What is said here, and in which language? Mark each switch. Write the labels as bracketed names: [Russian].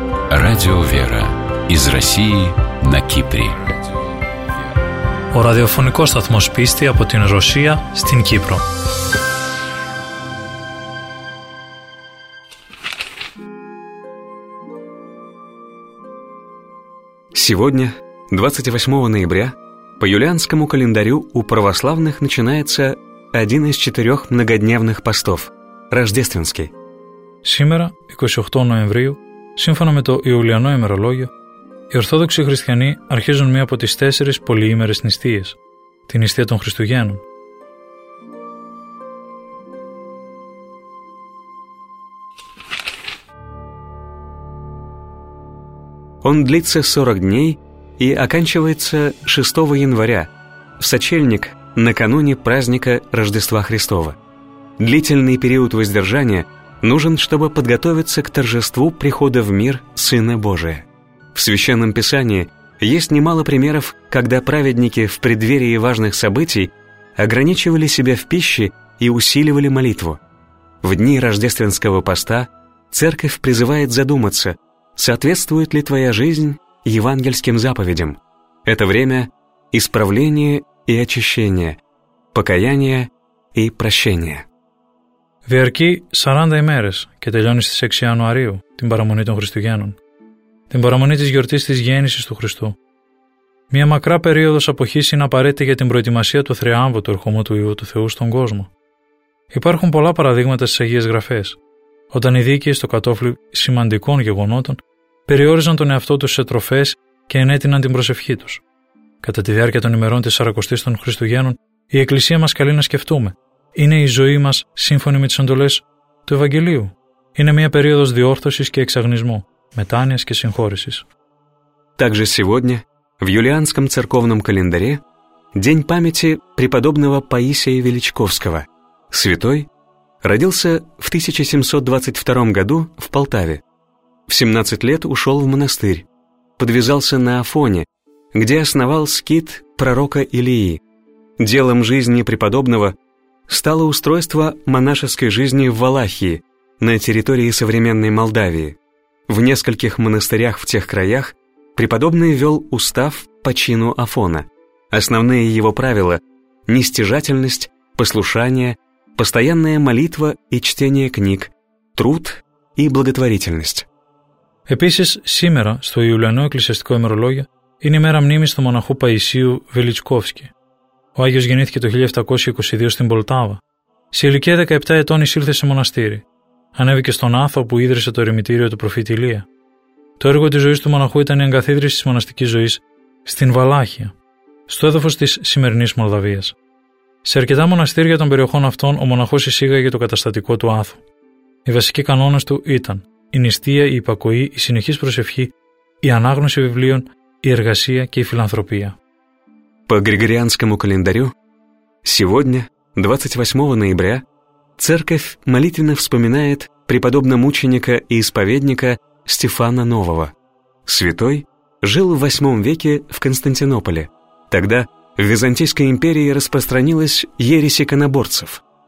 [Russian] Радио «Вера» из России на Кипре. [Greek] Ο ραδιοφωνικός σταθμός πίστη από την Ρωσία στην Κύπρο. [Russian] Сегодня, 28 ноября, по юлианскому календарю у православных начинается один из четырех многодневных постов – рождественский. [Greek] Σήμερα, 28 Νοεμβρίου, σύμφωνα με το Ιουλιανό ημερολόγιο, οι Ορθόδοξοι Χριστιανοί αρχίζουν μία από τις τέσσερις πολυήμερες νηστείες, την νηστεία των Χριστουγέννων. [Russian] Он длится 40 дней и оканчивается 6 января, в сочельник, накануне праздника Рождества Христова. Длительный период воздержания нужен, чтобы подготовиться к торжеству прихода в мир Сына Божия. В Священном Писании есть немало примеров, когда праведники в преддверии важных событий ограничивали себя в пище и усиливали молитву. В дни рождественского поста Церковь призывает задуматься, соответствует ли твоя жизнь евангельским заповедям. Это время исправления и очищения, покаяния и прощения. [Greek] Διαρκεί 40 ημέρες και τελειώνει στις 6 Ιανουαρίου, την παραμονή των Χριστουγέννων, την παραμονή της γιορτής της γέννησης του Χριστού. Μια μακρά περίοδος αποχής είναι απαραίτητη για την προετοιμασία του θριάμβου του ερχομού του Υιού του Θεού στον κόσμο. Υπάρχουν πολλά παραδείγματα στις Αγίες Γραφές, όταν οι δίκαιοι στο κατόφλι σημαντικών γεγονότων περιόριζαν τον εαυτό τους σε τροφές και ενέτειναν την προσευχή τους. Κατά τη διάρκεια των ημερών της 40ης των Χριστουγέννων, η Εκκλησία μας καλεί να σκεφτούμε. Είναι η ζωή μας σύμφωνη με τις εντολές του Ευαγγελίου. Είναι μια περίοδος διόρθωσης και εξαγνισμού, μετάνοιας και συγχώρησης. [Russian] Также сегодня в юлианском церковном календаре день памяти преподобного Паисия Величковского. Святой родился в 1722 году в Полтаве. В 17 лет ушел в монастырь, подвязался на Афоне, где основал скит пророка Илии. Делом жизни преподобного стало устройство монашеской жизни в Валахии, на территории современной Молдавии. В нескольких монастырях в тех краях преподобный вел устав по чину Афона. Основные его правила – нестяжательность, послушание, постоянная молитва и чтение книг, труд и благотворительность. [Greek] Επίσης, σήμερα, στο Ιουλιανό Εκκλησιαστικό ημερολόγιο, είναι η μέρα μνήμης του μοναχού Παϊσίου Βελιτσκόφσκη. Ο Άγιος γεννήθηκε το 1722 στην Πολτάβα. Σε ηλικία 17 ετών εισήλθε σε μοναστήρι. Ανέβηκε στον Άθο που ίδρυσε το ερημητήριο του προφήτη Ηλία. Το έργο της ζωής του μοναχού ήταν η εγκαθίδρυση της μοναστικής ζωής στην Βαλάχια, στο έδαφος της σημερινής Μολδαβίας. Σε αρκετά μοναστήρια των περιοχών αυτών, ο μοναχός εισήγαγε το καταστατικό του Άθο. Οι βασικοί κανόνες του ήταν η νηστεία, η υπακοή, η συνεχής προσευχή, η ανάγνωση βιβλίων, η εργασία και η φιλανθρωπία. [Russian] По Григорианскому календарю, сегодня, 28 ноября, Церковь молитвенно вспоминает преподобномученика и исповедника Стефана Нового. Святой жил в 8 веке в Константинополе. Тогда в Византийской империи распространилась ересь иконоборцев.